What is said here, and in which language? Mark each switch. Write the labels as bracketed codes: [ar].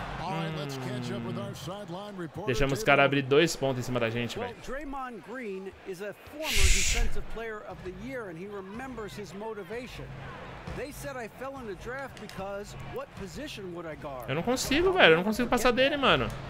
[en] All right, let's catch up with our sideline reporter. [pt] Deixamos os caras abrir dois pontos em cima da gente, velho. [en] Well, Draymond Green is a former defensive player of the year and he remembers his motivation. They said I fell in the draft because what position would I guard? [pt] Eu não consigo, velho. Eu não consigo passar dele, mano.